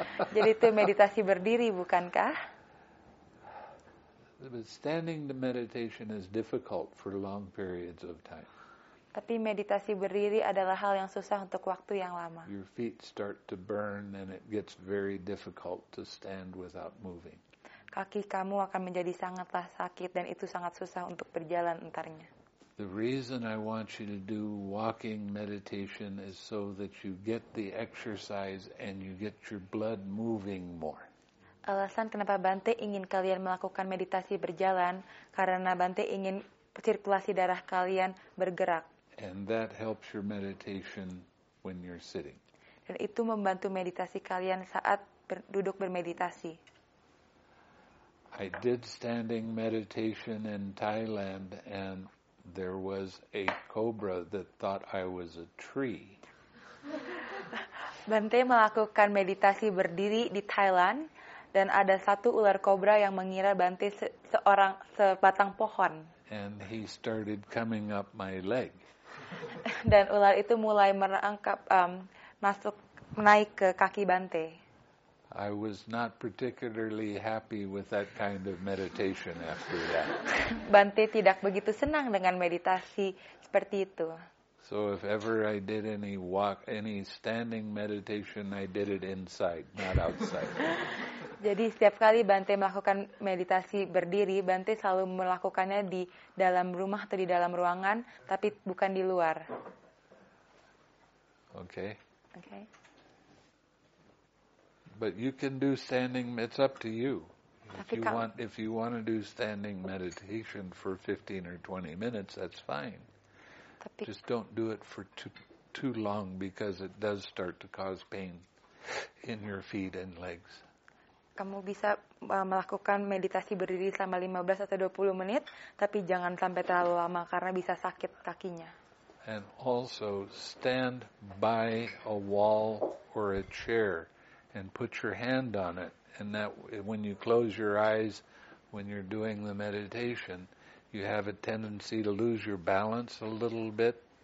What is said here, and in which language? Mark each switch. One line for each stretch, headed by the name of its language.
Indonesian: Jadi itu meditasi berdiri, bukankah?
English: But standing the meditation is difficult for long periods of time.
Indonesian: Tapi meditasi berdiri adalah hal yang susah untuk waktu yang lama.
English: Your feet start to burn and it gets very difficult to stand without moving.
Indonesian: Kaki kamu akan menjadi sangatlah sakit dan itu sangat susah untuk berjalan entarnya.
English: The reason I want you to do walking meditation is so that you get the exercise and you get your blood moving more.
Indonesian: Alasan kenapa Bante ingin kalian melakukan meditasi berjalan karena Bante ingin sirkulasi darah kalian bergerak.
English: And that helps your meditation when you're sitting.
Indonesian: Dan itu membantu meditasi kalian saat duduk bermeditasi.
English: I did standing meditation in Thailand and there was a cobra that thought I was a tree.
Indonesian: Bante melakukan meditasi berdiri di Thailand dan ada satu ular kobra yang mengira Bante seorang sebatang pohon.
English: And he started coming up my leg.
Indonesian: Dan ular itu mulai merangkap masuk naik ke kaki Bante.
English: I was not particularly happy with that kind of meditation after that.
Indonesian: Bante tidak begitu senang dengan meditasi seperti itu.
English: So if ever I did any walk, any standing meditation, I did it inside, not outside.
Indonesian: Jadi setiap kali Bante melakukan meditasi berdiri, Bante selalu melakukannya di dalam rumah atau di dalam ruangan, tapi bukan di luar.
English: Okay. Okay. But you can do standing, it's up to you. If you want to do standing meditation for 15 or 20 minutes, that's fine. Just don't do it for too long because it does start to cause pain in your feet and legs.
Indonesian: Kamu bisa melakukan meditasi berdiri selama 15 atau 20 menit, tapi jangan sampai terlalu lama karena bisa sakit kakinya.
English: And also stand by a wall or a chair. And put your hand on it, and that when you close your eyes, when you're doing the meditation, you have a tendency to lose your balance a little bit.